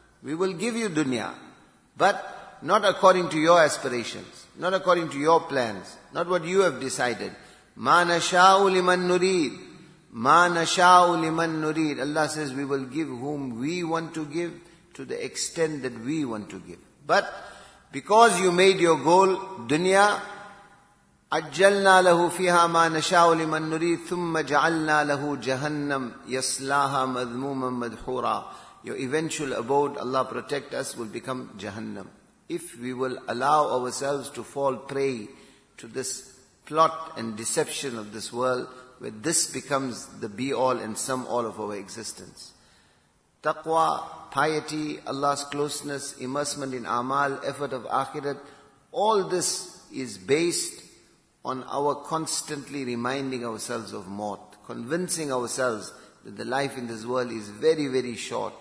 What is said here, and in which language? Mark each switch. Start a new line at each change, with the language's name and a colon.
English: We will give you dunya, but not according to your aspirations, not according to your plans, not what you have decided.
Arabic: مَا نَشَاءُ لِمَنْ نُرِيدُ مَا نَشَاءُ لِمَنْ نُرِيدُ.
English: Allah says, we will give whom we want to give to the extent that we want to give. But because you made your goal dunya,
Arabic: عَجَّلْنَا لَهُ فِيهَا مَا نَشَاءُ لِمَنْ نُرِيدُ ثُمَّ جَعَلْنَا لَهُ جَهَنَّمْ يَصْلَاهَا مَذْمُومًا مَدْحُورًا.
English: Your eventual abode, Allah protect us, will become Jahannam. If we will allow ourselves to fall prey to this plot and deception of this world, where this becomes the be-all and sum-all of our existence. Taqwa, piety, Allah's closeness, immersement in amal, effort of akhirat, all this is based on our constantly reminding ourselves of maut, convincing ourselves that the life in this world is very, very short.